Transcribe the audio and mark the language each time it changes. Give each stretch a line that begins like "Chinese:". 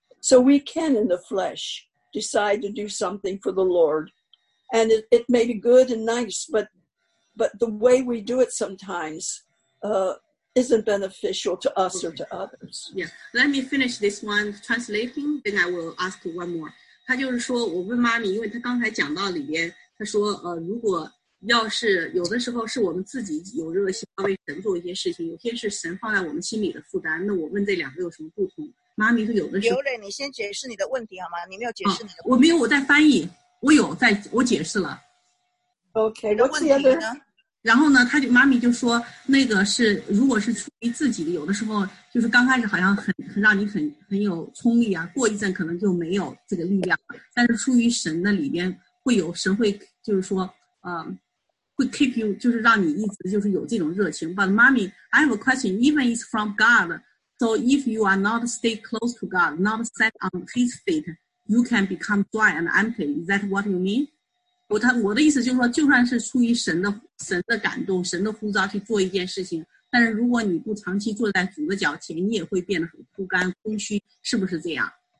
English: So we can, in the flesh, decide to do something for the Lord. And it may be good and nice, but the way we do it sometimes, isn't beneficial to us、okay. or to others. Yeah. Let me finish this one translating, then I will ask one more.
Chinese: 他就是说我问妈咪因为他刚才讲到里边他说如果要是有的时候是我们自己有热心要为神做一些事情有些是神放在我们心里的负担那我问这两个有什么不同妈咪说有的时候刘磊你先解释你的问题好吗你没有解释你的问题、啊、我没有我在翻译我有在我解释了
English: OK what's the other
Chinese: 然后呢，他就妈咪就说，那个是如果是出于自己的，有的时候就是刚开始好像很让你很有冲力啊，过一阵可能就没有这个力量了。但是出于神的里边会有神会，就是说，会
English: keep you，
Chinese: 就是让你一直就是有这种热情。
English: But mommy, I have a question. Even it's from God, so if you are not stay close to God, not set on His feet, you can become dry and empty. Is that what you mean?
Chinese: 我的意思就是说，就算是出于神的感动，神的呼召去做一件事情，但是如果你不长期坐在主的脚前，你也会变得很枯干空虚，是不是这样？